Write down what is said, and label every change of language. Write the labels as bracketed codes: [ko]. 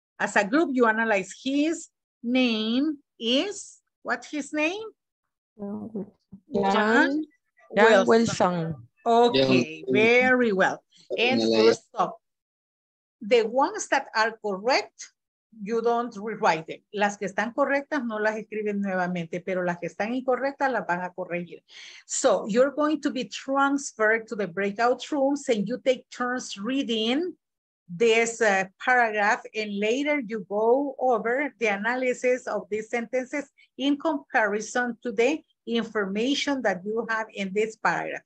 [en] As a group, you analyze his name is, what's his name? John Wilson. Okay, very well. And first up, the ones that are correct, you don't rewrite it. [es] Las que están correctas no las escriben nuevamente, pero las que están incorrectas las van a corregir. [en] So you're going to be transferred to the breakout rooms and you take turns reading this paragraph, and later you go over the analysis of these sentences in comparison to the information that you have in this paragraph.